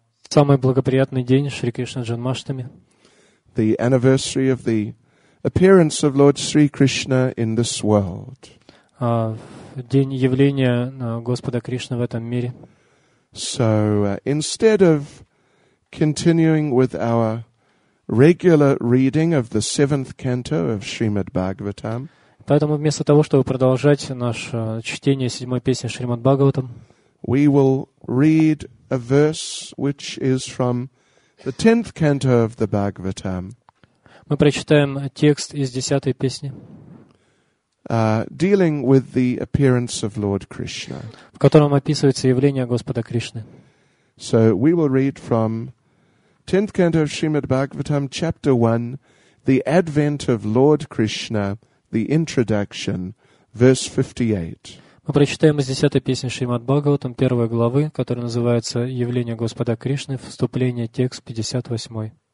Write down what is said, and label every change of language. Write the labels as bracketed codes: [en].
[ru] Самый благоприятный день Шри Кришна Джанмаштами. [en] The anniversary of the appearance of Lord Sri Krishna in this world. [ru] День явления Господа Кришны в этом мире. [en] So instead of continuing with our regular reading of the seventh canto of Srimad Bhagavatam, [ru] поэтому вместо того, чтобы продолжать наше чтение седьмой песни Шримад Бхагаватам, [en] we will read a verse which is from the 10th canto of the Bhagavatam. [ru] Мы прочитаем текст из десятой песни, [en] dealing with the appearance of Lord Krishna, [ru] в котором описывается явление Господа Кришны. [en] So we will read from 10th canto of Srimad Bhagavatam, chapter 1, the advent of Lord Krishna, the introduction, verse 58. [ru] Мы прочитаем из десятой песни Шримад Бхагаватам, первой главы, которая называется «Явление Господа Кришны», вступление, текст 58.